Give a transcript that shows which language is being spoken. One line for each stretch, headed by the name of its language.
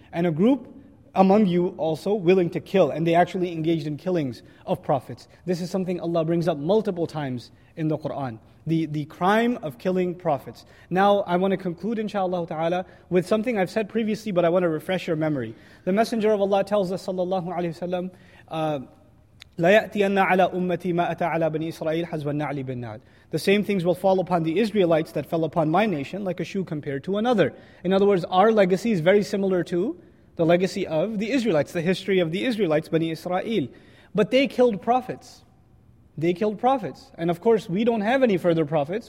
English: And a group among you also willing to kill, and they actually engaged in killings of prophets. This is something Allah brings up multiple times in the Qur'an. The crime of killing prophets. Now, I want to conclude, inshaAllah ta'ala, with something I've said previously, but I want to refresh your memory. The Messenger of Allah tells us,
Arabic: sallallahu alayhi wa sallam, لَيَأْتِيَنَّ عَلَىٰ أُمَّتِي مَا أَتَىٰ عَلَىٰ بَنِي إِسْرَائِيلَ حَزْوَ النَّعْلِ بِالنَّعْلِ.
English: The same things will fall upon the Israelites that fell upon my nation, like a shoe compared to another. In other words, our legacy is very similar to the legacy of the Israelites, the history of the Israelites, Bani Israel. But they killed prophets. They killed prophets. And of course, we don't have any further prophets.